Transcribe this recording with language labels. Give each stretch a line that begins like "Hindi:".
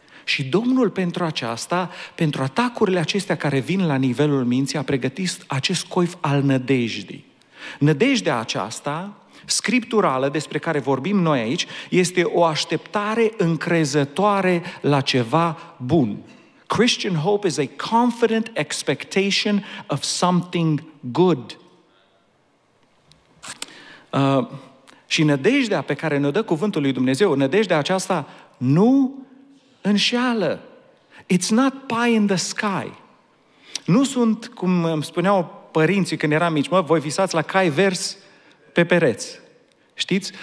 Romanian: Și Domnul pentru aceasta, pentru atacurile acestea care vin la nivelul minții, a pregătit acest coif al nădejdii. Nădejdea aceasta, scripturală, despre care vorbim noi aici, este o așteptare încrezătoare la ceva bun.
English: Christian hope is a confident expectation of something good.
Romanian: Și nădejdea pe care ne-o dă cuvântul lui Dumnezeu, nădejdea aceasta nu înșeală.
English: It's not pie in the sky.
Romanian: Nu sunt, cum îmi spuneau părinții când eram mici, mă, voi visați la cai vers pe pereți. Știți?